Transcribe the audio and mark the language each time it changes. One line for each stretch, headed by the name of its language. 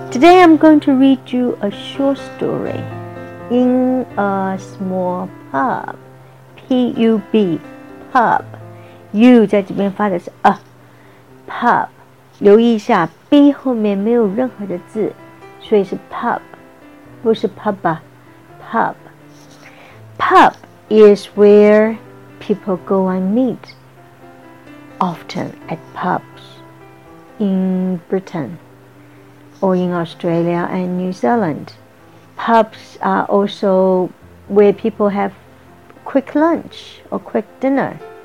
English: Today I'm going to read you a short story. In a small pub, P-U-B, pub.
Chinese: U 在这边发的是 a pub. 留意一下 ，B 后面没有任何的字，所以是 pub， 不是 pub 啊 ，pub.
English: Pub is where people go and meet. Often at pubs in Britain or in Australia and New Zealand. Pubs are also where people have quick lunch or quick dinner.